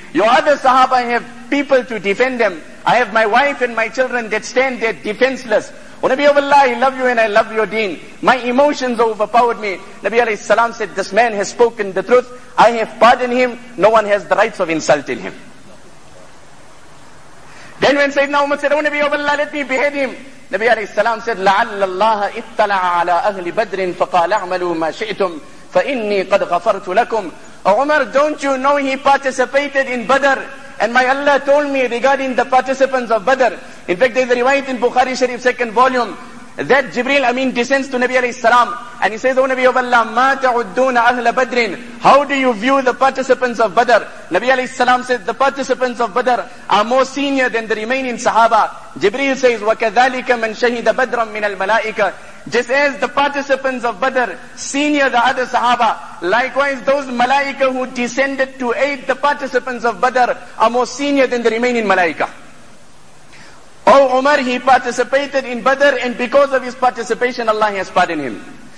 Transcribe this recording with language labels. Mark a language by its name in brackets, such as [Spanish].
[English] Your other Sahaba have people to defend them. I have my wife and my children that stand there defenseless. Oh, Nabi of Allah, I love you and I love your deen. My emotions overpowered me. Nabi alayhi salam said, this man has spoken the truth. I have pardoned him. No one has the rights of insulting him. Then when Sayyidina Umar said, oh Nabi of Allah, let me behead him. Nabi alayhi salam said, [Arabic] لَعَلَّ اللَّهَ اِطَّلَعَ عَلَىٰ أَهْلِ بَدْرٍ فَقَالَ اَعْمَلُوا مَا شِئْتُمْ فَإِنِّي قَدْ غَفَرْتُ لَكُمْ. [English] Oh Umar, don't you know he participated in Badr? And my Allah told me regarding the participants of Badr. In fact, there's a riwayat in Bukhari Sharif, second volume, that Jibreel Amin descends to Nabi alayhi salam, and he says, O Nabi of Allah, [Arabic] مَا تَعُدُّونَ أَهْلَ بَدْرٍ. [English] How do you view the participants of Badr? Nabi alayhi salam says, the participants of Badr are more senior than the remaining Sahaba. Jibreel says, [Arabic] وَكَذَلِكَ مَنْ شَهِدَ بَدْرًا مِنَ الْمَلَائِكَةِ. [English] Just as the participants of Badr senior the other Sahaba, likewise those Malaika who descended to aid the participants of Badr are more senior than the remaining Malaika. Oh Umar, he participated in Badr, and because of his participation, Allah has pardoned him.